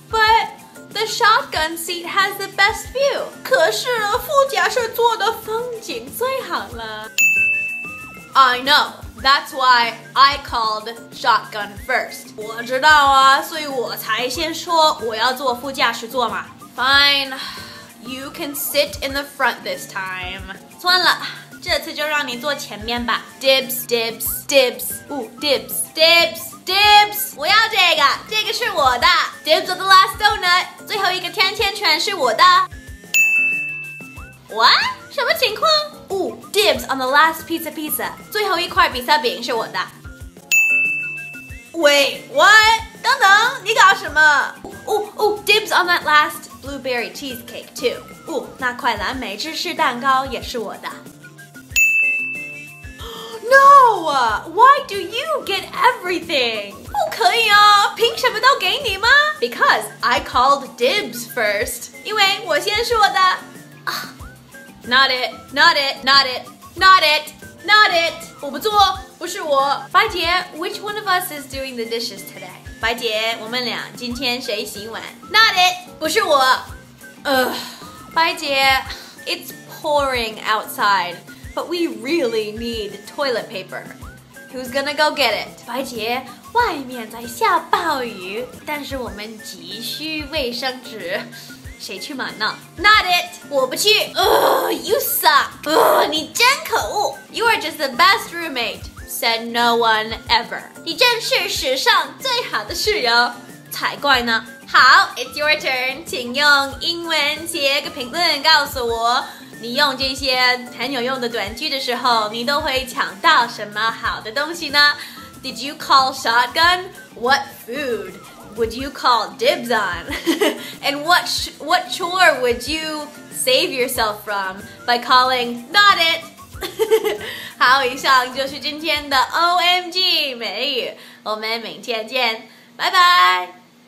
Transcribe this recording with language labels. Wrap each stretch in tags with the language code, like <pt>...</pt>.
<en>ButThe shotgun seat has the best view.</en> <zh>可是副驾驶座的风景最好了。</zh> <en>I know. That's why I called shotgun first.</en> <zh>我知道啊，所以我才先说我要坐副驾驶座嘛。</zh> <en>Fine. You can sit in the front this time.</en> <zh>算了，这次就让你坐前面吧。</zh> <en>Dibs, dibs, dibs. Ooh, dibs, dibs. Dibs!</en> <zh>我要这个，这个是我的。</zh> <en>Dibs of the last donut!</en> <zh>最后一个甜甜圈是我的。</zh> <en>What?</en> <zh>什么情况？</zh> <en>Ooh, dibs on the last pizza pizza!</en> <zh>最后一块比萨饼是我的。</zh> <en>Wait, what?</en> <zh>等等，你搞什么？</zh> <en>Ooh, ooh, dibs on that last blueberry cheesecake too!</en> <zh>Ooh, 那块蓝莓芝士蛋糕也是我的。</zh> <en>No! Why do you get everything?</en> <zh>不可以啊，凭什么都给你吗？</zh> <en>Because I called dibs first.</en> <zh>因为我先说的。</zh> <en>Not it, not it, not it, not it, not it.</en> <zh>我不做，不是我。</zh> <en>白姐， which one of us is doing the dishes today?</en> <zh>白姐，我们俩今天谁洗碗？</zh> <en>Not it,</en> <zh>不是我。</zh> <en>白姐， it's pouring outside. But we really need toilet paper. Who's gonna go get it?</en> <zh>白姐，外面在下暴雨，但是我们急需卫生纸，谁去买呢？</zh> <en>Not it!</en> <zh>我不去。</zh> <en>You suck!</en> <zh>你真可恶。</zh> <en>You are just the best roommate, said no one ever.</en> <zh>你真是史上最好的室友，才怪呢。好，</zh> <en>it's your turn.</en> <zh>请用英文写个评论告诉我。你用这些很有用的短句的时候，你都会抢到什么好的东西呢？</zh> <en>Did you call shotgun? What food would you call dibs on? And what chore would you save yourself from by calling not it?</en> <zh>好，以上就是今天的 OMG 美语，我们明天见，拜拜。</zh>